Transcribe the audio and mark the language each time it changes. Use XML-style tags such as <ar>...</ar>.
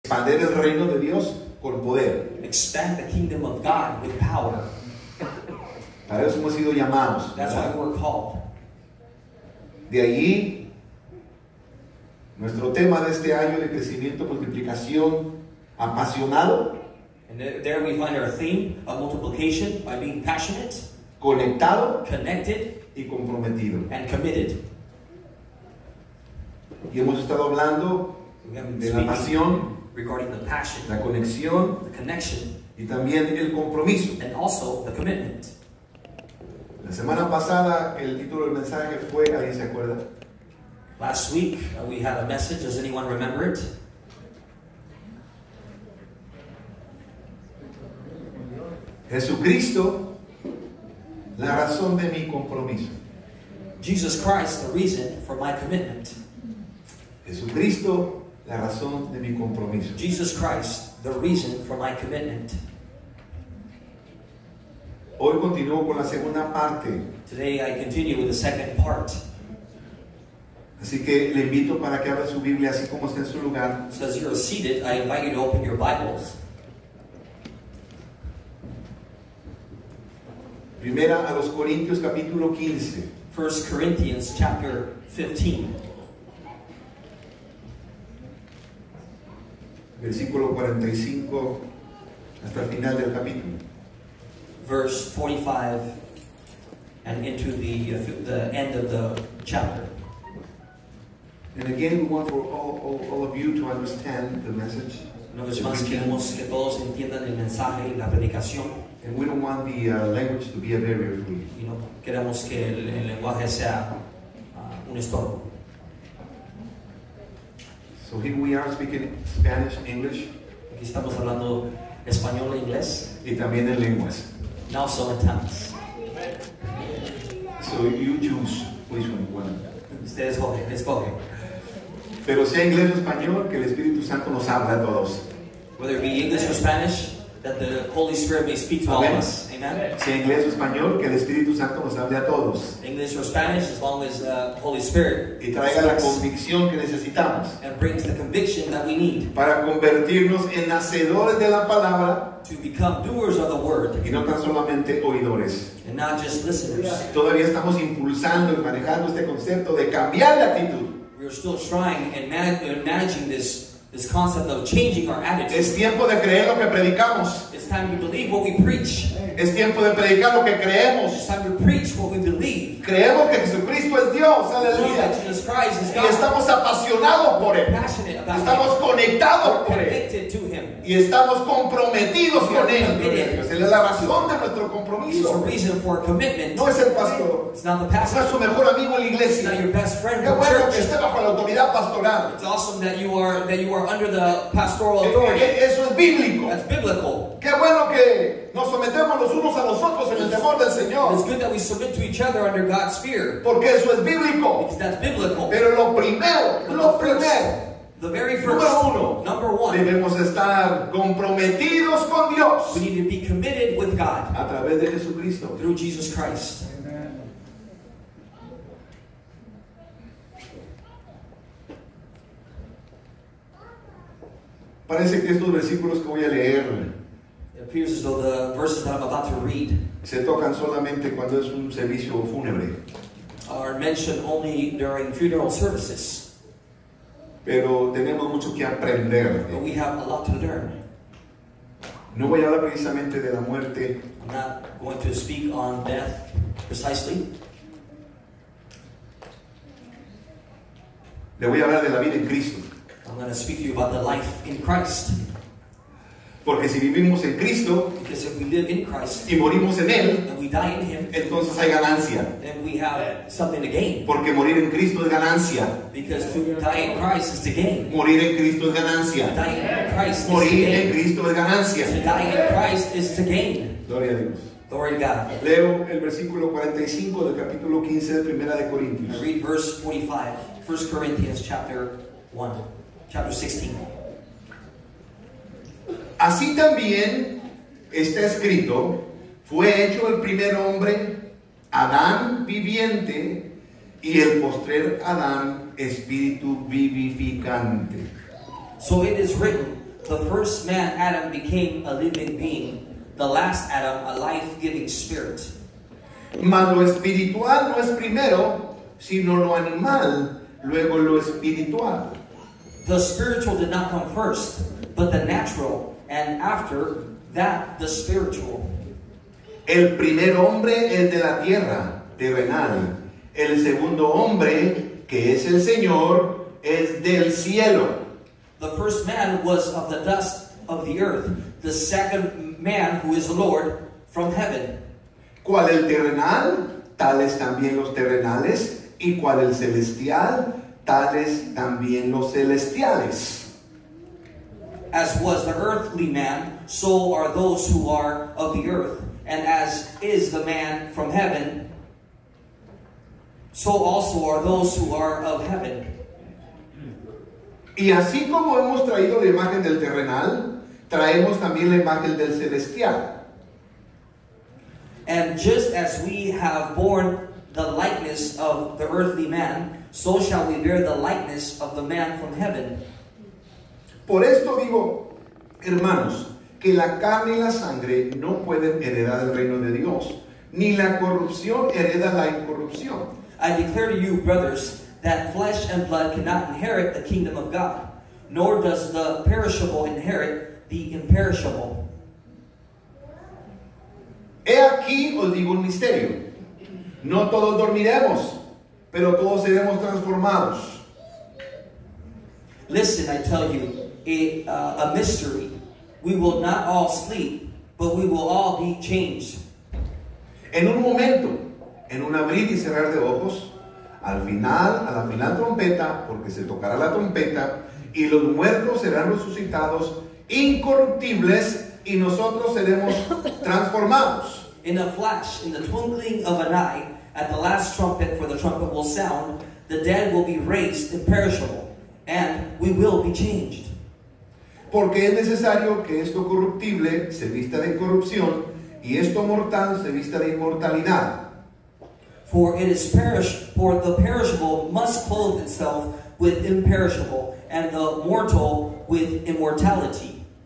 <es>expander el reino de Dios con poder.</es> <en>Expand the kingdom of God with power.</en> <es>Para eso hemos sido llamados.</es> <en>That's why we're called.</en> <es>De allí nuestro tema de este año de crecimiento, multiplicación, apasionado.</es> <en>And there we find our theme of multiplication by being passionate,</en> <es>conectado,</es> <en>connected,</en> <es>y comprometido,</es> <en>and committed.</en> <es>Y hemos estado hablando de la pasión,</es> <en>regarding the passion,</en> <es>la conexión,</es> <en>the connection,</en> <es>y también el compromiso,</es> <en>and also the commitment.</en> <es>La semana pasada el título del mensaje fue, ¿alguien se acuerda?</es> <en>Last week we had a message. Does anyone remember it?</en> <es>Jesucristo, la razón de mi compromiso.</es> <en>Jesus Christ, the reason for my commitment.</en> <es>Jesucristo, la razón de mi compromiso.</es> <en>Jesus Christ, the reason for my commitment.</en> <es>Hoy continúo con la segunda parte.</es> <en>Today I continue with the second part.</en> <es>Así que le invito para que abra su Biblia así como está en su lugar.</es> <en>So as you are seated, I invite you to open your Bibles.</en> <es>Primera a los Corintios capítulo 15.</es> <en>1 Corinthians chapter 15.</en> <es>Versículo 45 hasta el final del capítulo.</es> <en>Verse 45 and into the end of the chapter. And again, we want for all of you to understand the message.</en> <es>Una vez más queremos que todos entiendan el mensaje y la predicación.</es> <en>And we don't want the language to be a barrier for you.</en> <es>Y no queremos que el lenguaje sea un estorbo.</es> <en>So here we are speaking Spanish, English.</en> <es>Aquí estamos hablando español e inglés. Y también en lenguas.</es> <en>Now some attempts. So you choose which one you want.</en> <es>Ustedes escoge. Pero sea inglés o español, que el Espíritu Santo nos habla a todos.</es> <en>Whether it be English or Spanish, that the Holy Spirit may speak to all of us. Amen.</en> <es>Sea inglés o español, que el Espíritu Santo nos hable a todos.</es> <en>English or Spanish, as long as the Holy Spirit</en> <es>y traiga la convicción que necesitamos.</es> <en>And brings the conviction that we need.</en> <es>Para convertirnos en hacedores de la palabra.</es> <en>To become doers of the word.</en> <es>Y no tan solamente oidores.</es> <en>And not just listeners.</en> <es>Todavía estamos impulsando y manejando este concepto de cambiar la actitud.</es> <en>We are still trying and managing this concept of changing our attitude.</en> <es>Es tiempo de creer lo que predicamos.</es> <en>It's time to believe what we preach.</en> <es>Es tiempo de predicar lo que creemos.</es> <en>It's time to preach what we believe.</en> <es>Creemos que Jesucristo es Dios. Aleluya.</es> <en>Jesus Christ is God.</en> <es>Y estamos apasionados por él.</es> <en>Passionate about</en> <es>estamos</es> <en>him.</en> <es>Conectados</es> <en>We're</en> <es>por</es> <en>connected</en> <es>él.</es> <en>To him.</en> <es>Y estamos comprometidos con él. Pues él es la razón de nuestro compromiso.</es> <en>He's a reason for a commitment.</en> <es>No es el pastor.</es> <en>It's not the pastor.</en> <es>No es su mejor amigo en la iglesia.</es> <en>It's not your best friend.</en> <es>Qué bueno</es> <en>church.</en> <es>Que esté bajo la autoridad pastoral.</es> <en>It's awesome that you are under the pastoral authority.</en> <es>Eso es bíblico.</es> <en>That's biblical.</en> <es>Qué bueno que nos sometemos los unos a los otros en el temor del Señor.</es> <en>It's good that we submit to each other under God's fear.</en> <es>Porque eso es bíblico.</es> <en>Because that's biblical.</en> <es>Pero lo primero, but lo primero.</es> <en>The very first, number one,</en> <es>debemos estar comprometidos con Dios.</es> <en>We need to be committed with God.</en> <es>A través de Jesucristo.</es> <en>Through Jesus Christ. Amen.</en> <es>Parece que estos versículos que voy a leer,</es> <en>it appears as though the verses that I'm about to read,</en> <es>se tocan solamente cuando es un servicio fúnebre,</es> <en>are mentioned only during funeral services.</en> <es>Pero tenemos mucho que aprender.</es> <en>But we have a lot to learn.</en> <es>No voy a hablar precisamente de la muerte.</es> <en>I'm not going to speak on death precisely.</en> <es>Le voy a hablar de la vida en Cristo.</es> <en>I'm going to speak to you about the life in Christ.</en> <es>Porque si vivimos en Cristo,</es> <en>because if we live in Christ,</en> <es>y morimos en él,</es> <en>and we die in him,</en> <es>entonces hay ganancia.</es> <en>Then we have something to gain.</en> <es>Porque morir en Cristo es ganancia.</es> <en>Because to die in Christ is to gain.</en> <es>Morir en Cristo es ganancia.</es> <en>To die in Christ is</en> <es>morir</es> <en>to gain.</en> <es>Morir en Cristo es ganancia.</es> <en>To die in Christ is to gain.</en> <es>Gloria a Dios.</es> <en>Glory to God.</en> <es>Leo el versículo 45 del capítulo 15 de Primera de Corintios.</es> <en>I read verse 45, 1 Corinthians chapter 1, chapter 16.</en> <es>Así también está escrito, fue hecho el primer hombre, Adán viviente, y el postrer Adán, espíritu vivificante.</es> <en>So it is written, The first man, Adam, became a living being. The last Adam, a life-giving spirit.</en> <es>Mas lo espiritual no es primero, sino lo animal, luego lo espiritual.</es> <en>The spiritual did not come first, but the natural, and after that, the spiritual.</en> <es>El primer hombre es de la tierra, terrenal. El segundo hombre, que es el Señor, es del cielo.</es> <en>The first man was of the dust of the earth. The second man, who is the Lord, from heaven.</en> <es>¿Cuál el terrenal? Tales también los terrenales. ¿Y cuál el celestial? Tales también los celestiales.</es> <en>As was the earthly man, so are those who are of the earth. And as is the man from heaven, so also are those who are of heaven.</en> <es>Y así como hemos traído la imagen del terrenal, traemos también la imagen del celestial.</es> <en>And just as we have borne the likeness of the earthly man, so shall we bear the likeness of the man from heaven.</en> <es>Por esto digo, hermanos, que la carne y la sangre no pueden heredar el reino de Dios, ni la corrupción hereda la incorrupción.</es> <en>I declare to you, brothers, that flesh and blood cannot inherit the kingdom of God, nor does the perishable inherit the imperishable.</en> <es>He aquí os digo un misterio. No todos dormiremos, pero todos seremos transformados.</es> <en>Listen, I tell you, a mystery. We will not all sleep, but we will all be changed.</en> <es>En un momento, en un abrir y cerrar de ojos, al final, a la final trompeta, porque se tocará la trompeta, y los muertos serán resucitados incorruptibles, y nosotros seremos transformados.</es> <en>In a flash, in the twinkling of an eye, at the last trumpet, for the trumpet will sound, the dead will be raised imperishable, and we will be changed.</en> <es>Porque es necesario que esto corruptible se vista de incorrupción, y esto mortal se vista de inmortalidad.</es> <en>For it is for the perishable must clothe itself with imperishable, and the mortal with immortality.</en>